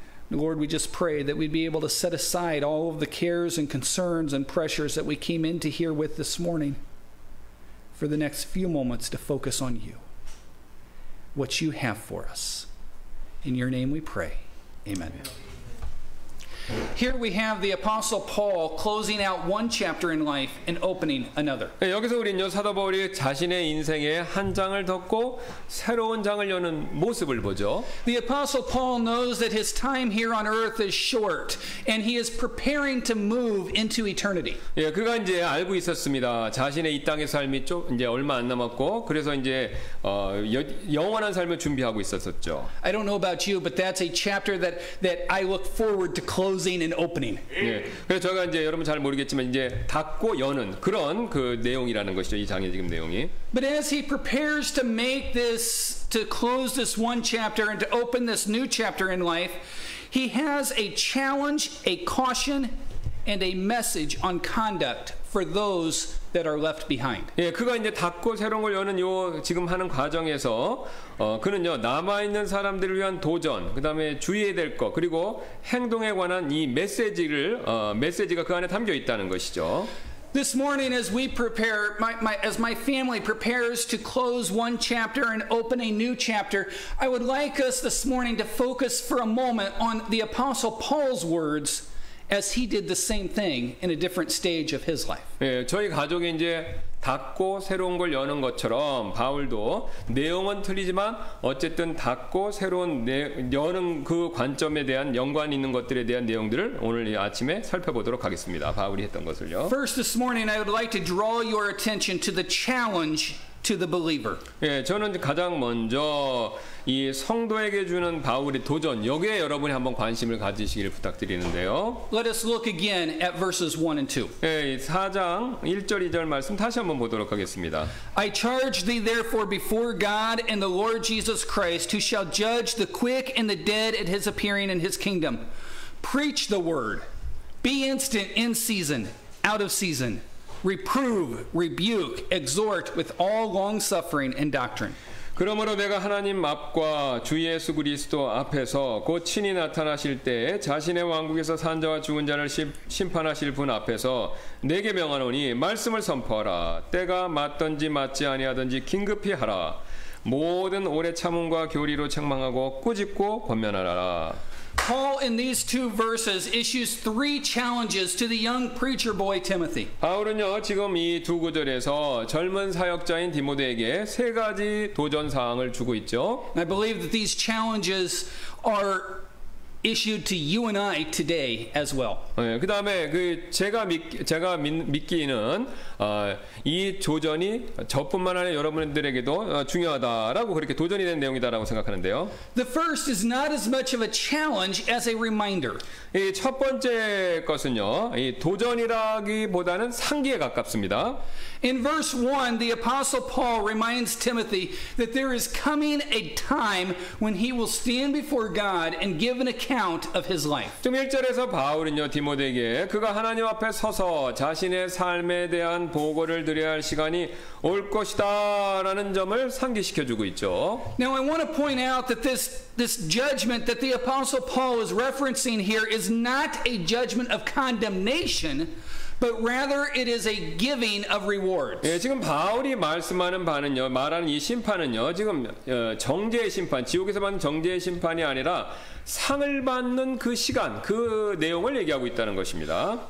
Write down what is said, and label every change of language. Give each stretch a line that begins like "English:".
English: Lord, we just pray that we'd be able to set aside all of the cares and concerns and pressures that we came into here with this morning for the next few moments to focus on you, what you have for us. In your name we pray. Amen. Here we have the Apostle Paul closing out one chapter in life and opening another.
Korean: 여기서 우리는 사도 바울이 자신의 인생의 한 장을 덮고 새로운 장을 여는 모습을 보죠.
English: The Apostle Paul knows that his time here on earth is short and he is preparing to move into eternity.
Korean: 예, 그가 이제 알고 있었습니다. 자신의 이 땅의 삶이 좀 이제 얼마 안 남았고 그래서 이제 영원한 삶을 준비하고 있었었죠.
English: I don't know about you, but that's a chapter that I look forward to close. Closing and opening.
Korean: 네, 그래서 제가 이제 여러분 잘 모르겠지만 이제 닫고 여는 그런 그 내용이라는 것이죠. 이 장의 지금 내용이.
English: But as he prepares to make this, to close this one chapter and to open this new chapter in life, he has a challenge, a caution, and a message on conduct for those that are left behind.
Korean: 예, 그가 이제 닫고 새로운 걸 여는 요 지금 하는 과정에서 그는요 남아 있는 사람들을 위한 도전, 그다음에 주의해야 될 것, 그리고 행동에 관한 이 메시지를 메시지가 그 안에 담겨 있다는 것이죠.
English: This morning as we prepare as my family prepares to close one chapter and open a new chapter, I would like us this morning to focus for a moment on the Apostle Paul's words. As he did the same thing in a different stage of his life.
Korean: 예, 저희 가족이 이제 닫고 새로운 걸 여는 것처럼 바울도 내용은 틀리지만 어쨌든 닫고 새로운 여는 그 관점에 대한 연관 있는 것들에 대한 내용들을 오늘 이 아침에 살펴보도록 하겠습니다. 바울이 했던 것을요.
English: First, this morning, I would like to draw your attention to the challenge to the believer.
Korean: 예, 저는 가장 먼저 이 성도에게 주는 바울의 도전, 여기에 여러분이 한번 관심을 가지시기를 부탁드리는데요.
English: Let us look again at verses 1 and 2.
Korean: 예, 4장 1절 2절 말씀 다시 한번 보도록 하겠습니다.
English: I charge thee therefore before God and the Lord Jesus Christ, who shall judge the quick and the dead at his appearing in his kingdom. Preach the word. Be instant in season, out of season. Reprove, rebuke, exhort with all longsuffering and doctrine.
Korean: 그러므로 내가 하나님 앞과 주 예수 그리스도 앞에서 곧 친히 나타나실 때 자신의 왕국에서 산 자와 죽은 자를 심판하실 분 앞에서 내게 명하노니 말씀을 선포하라. 때가 맞든지 맞지 아니하든지 긴급히 하라. 모든 오래 참음과 교리로 책망하고 꾸짖고 권면하라.
English: Paul in these two verses issues three challenges to the young preacher boy Timothy.
Korean: 바울은요 지금 이 두 구절에서 젊은 사역자인 디모데에게 세 가지 도전 사항을 주고 있죠.
English: I believe that these challenges are issued to you and I today as well.
Korean: 네, 그다음에 그 제가 믿기에는 이 도전이 저뿐만 아니라 여러분들에게도 중요하다라고 그렇게 도전이 된 내용이다라고 생각하는데요.
English: The first is not as much of a challenge as a reminder.
Korean: 이 첫 번째 것은요. 이 도전이라기보다는 상기에 가깝습니다.
English: In verse 1, the apostle Paul reminds Timothy that there is coming a time when he will stand before God and give an account of his life.
Korean: 좀 1절에서 바울은요, 디모데에게 그가 하나님 앞에 서서 자신의 삶에 대한 보고를 드려야 할 시간이 올 것이다라는 점을 상기시켜 주고 있죠.
English: Now I want to point out that this judgment that the apostle Paul is referencing here is not a judgment of condemnation. but rather it is a giving of rewards.
Korean: 예, 지금 바울이 말씀하는 바는요, 말하는 이 심판은요, 지금 정죄의 심판, 지옥에서 받는 정죄의 심판이 아니라 상을 받는 그 시간, 그 내용을 얘기하고 있다는 것입니다.